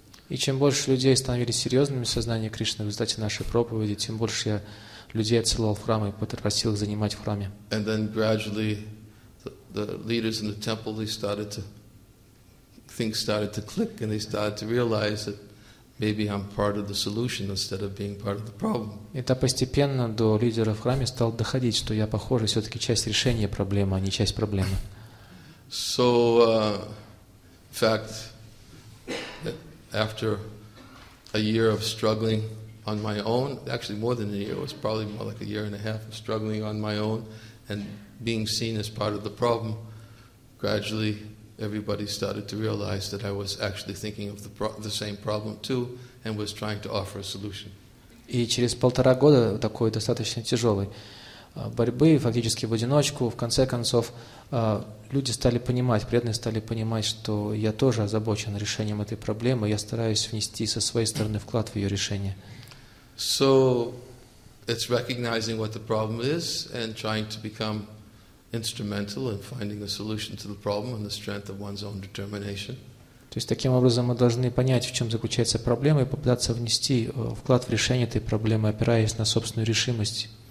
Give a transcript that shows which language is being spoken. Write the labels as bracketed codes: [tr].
[ru] И чем больше людей становились серьезными в сознании Кришны в результате нашей проповеди, тем больше я людей отсылал в храм и попросил их занимать в храме. И потом, [en] gradually, the leaders in the temple, things started to click, and they started to realize that maybe I'm part of the solution instead of being part of the problem. [ru] Это постепенно до лидеров в храме стал доходить, что я, похоже, все-таки часть решения проблемы, а не часть проблемы. [en] So, in fact, after a year of struggling on my own, actually more than a year, it was probably more like a year and a half of struggling on my own and being seen as part of the problem, gradually everybody started to realize that I was actually thinking of the same problem too and was trying to offer a solution. [ru] И через полтора года такой достаточно тяжелой борьбы, фактически в одиночку, в конце концов, люди стали понимать, преданные стали понимать, что я тоже озабочен решением этой проблемы, я стараюсь внести со своей стороны вклад в ее решение. [en] So, it's recognizing what the problem is and trying to become instrumental in finding a solution to the problem and the strength of one's own determination. [ru] То есть таким образом мы должны понять, в чем заключается проблема, и попытаться внести вклад в решение этой проблемы, опираясь на собственную решимость.